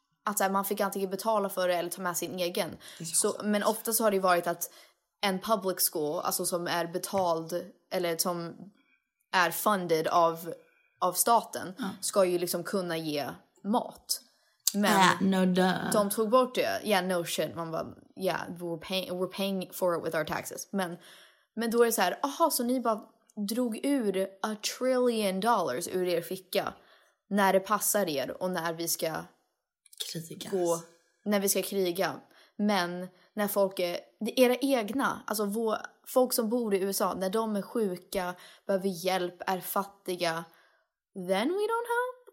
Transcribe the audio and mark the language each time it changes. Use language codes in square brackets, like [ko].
[sv] Att så här, man fick antingen betala för det eller ta med sin egen. Så, men ofta så har det varit att en [en] public school, [sv] alltså som är betald eller som är [en] funded [sv] av staten, ska ju liksom kunna ge mat. Men de tog bort det. [en] Yeah, no shit. [sv] Man bara, [en] we're paying for it with our taxes. [sv] Men då är det så här, aha, så ni bara drog ur $1 trillion ur er ficka när det passar er och när vi ska kriga. Men när folk är, era egna, alltså folk som bor i USA, när de är sjuka, behöver hjälp, är fattiga, [en] then we don't have.